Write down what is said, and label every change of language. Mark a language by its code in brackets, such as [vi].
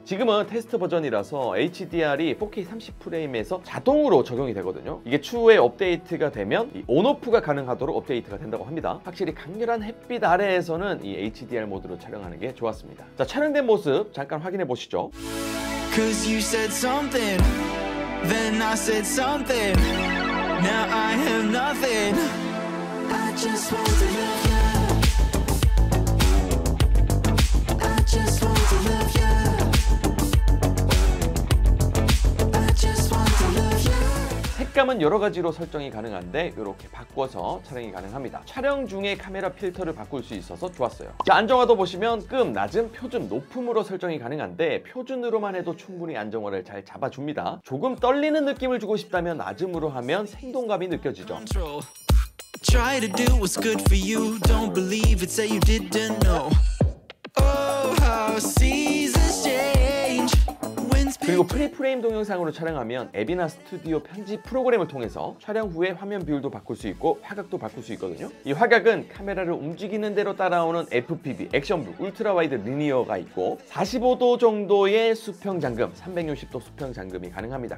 [ko] 지금은 테스트 버전이라서 HDR이 4K 30프레임에서 자동으로 적용이 되거든요. 이게 추후에 업데이트가 되면 이 온오프가 가능하도록 업데이트가 된다고 합니다. 확실히 강렬한 햇빛 아래에서는 이 HDR 모드로 촬영하는 게 좋았습니다. 자, 촬영된 모습 잠깐 확인해 보시죠. [en] Cause you said something, then I said something. Now I have nothing. I just want to love you. [ko] 색감은 여러 가지로 설정이 가능한데 이렇게 바꿔서 촬영이 가능합니다. 촬영 중에 카메라 필터를 바꿀 수 있어서 좋았어요. 자, 안정화도 보시면 끔, 낮음, 표준, 높음으로 설정이 가능한데 표준으로만 해도 충분히 안정화를 잘 잡아줍니다. 조금 떨리는 느낌을 주고 싶다면 낮음으로 하면 생동감이 느껴지죠. [en] Try to do what's good for you. Don't believe it, say you didn't know. Oh, how seasons change. [ko] 그리고 프리프레임 동영상으로 촬영하면 앱이나 스튜디오 편집 프로그램을 통해서 촬영 후에 화면 비율도 바꿀 수 있고 화각도 바꿀 수 있거든요. 이 화각은 카메라를 움직이는 대로 따라오는 FPV, 액션뷰, 울트라와이드 리니어가 있고 45도 정도의 수평잠금, 360도 수평잠금이 가능합니다.